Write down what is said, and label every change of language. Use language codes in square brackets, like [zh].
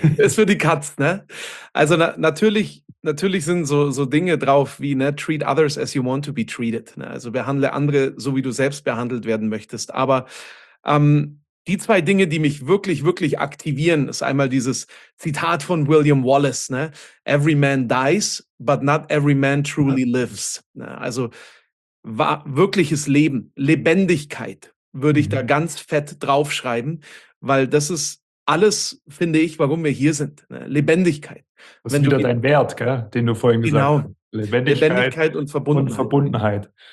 [de] Ist für die Katz, ne? Also natürlich sind so Dinge drauf wie, ne, [en] treat others as you want to be treated. [de] Ne? Also behandle andere so, wie du selbst behandelt werden möchtest. Aber die zwei Dinge, die mich wirklich, wirklich aktivieren, ist einmal dieses Zitat von William Wallace, ne? [en] Every man dies, but not every man truly lives. [de] Ne? Also wirkliches Leben, Lebendigkeit würde ich da ganz fett draufschreiben, weil das ist alles, finde ich, warum wir hier sind. Ne? Lebendigkeit. Das wenn ist wieder du, dein Wert, gell? Den du vorhin gesagt hast. Lebendigkeit und Verbundenheit.